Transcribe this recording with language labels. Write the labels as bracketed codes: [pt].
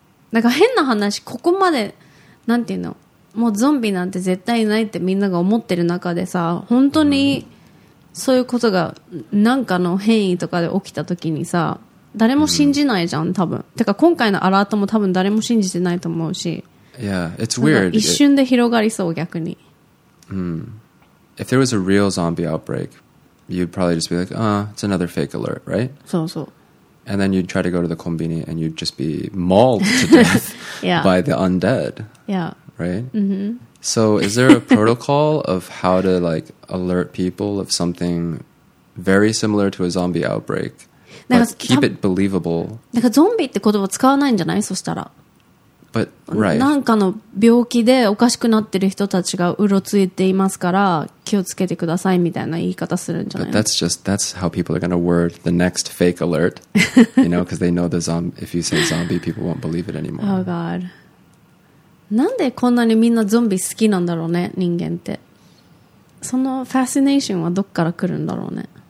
[ja] なんか変な話、ここまで、なんていうの?もうゾンビなんて絶対ないってみんなが思ってる中でさ、本当にそういうことがなんかの変異とかで起きた時にさ、誰も信じないじゃん、多分。てか今回のアラートも多分誰も信じてないと思うし。 [en] Yeah, it's weird. [ja] 一瞬で広がりそう、逆に。 [en] If there was a real zombie outbreak, you'd probably just be like, it's another fake alert, right? [ja] そうそう。 [en] And then you'd try to go to the konbini and you'd just be mauled to death by the undead. Yeah. Right. Mm-hmm. So, is there a protocol of how to like alert people if something very similar to a zombie outbreak. But keep it believable. [ja] なんかゾンビって言葉使わないんじゃない？そしたら。 [en] But, right. [ja] なんかの病気でおかしくなってる人たちがうろついていますから気をつけてくださいみたいな言い方するんじゃない [en] ？ But that's just, that's how people are going to word the next fake alert. You know, because they know the zombie, if you say zombie, people won't believe it anymore. Oh god. [ja] なんでこんなにみんなゾンビ好きなんだろうね、人間って。そのファシネーションはどっから来るんだろうね。